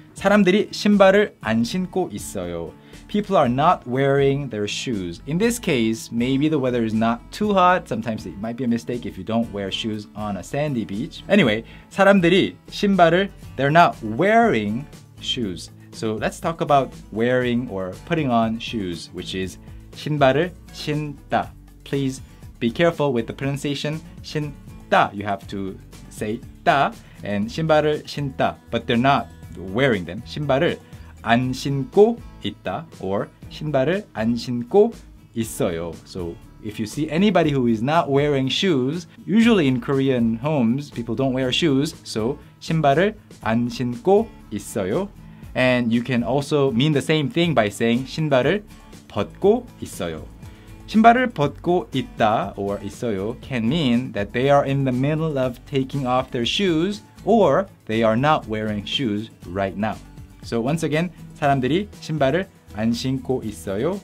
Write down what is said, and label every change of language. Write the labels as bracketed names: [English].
[Korean] 사람들이 신발을 안 신고 있어요. [English] People are not wearing their shoes. In this case, maybe the weather is not too hot. Sometimes it might be a mistake if you don't wear shoes on a sandy beach. Anyway, [Korean] 사람들이 신발을 [English] they're not wearing shoes. So let's talk about wearing or putting on shoes, which is [Korean] 신발을 신다. [English] Please be careful with the pronunciation 신다. You have to say 다 and [Korean] 신발을 신다. [English] But they're not wearing them. [Korean] 신발을 안 신고 있다 or 신발을 안 신고 있어요. [English] So if you see anybody who is not wearing shoes, usually in Korean homes, people don't wear shoes. [Korean] So 신발을 안 신고 있어요. [English] And you can also mean the same thing by saying [Korean] 신발을 벗고 있어요. 신발을 벗고 있다 [English] or 있어요 can mean that they are in the middle of taking off their shoes or they are not wearing shoes right now. So once again, [Korean] 사람들이 신발을 안 신고 있어요.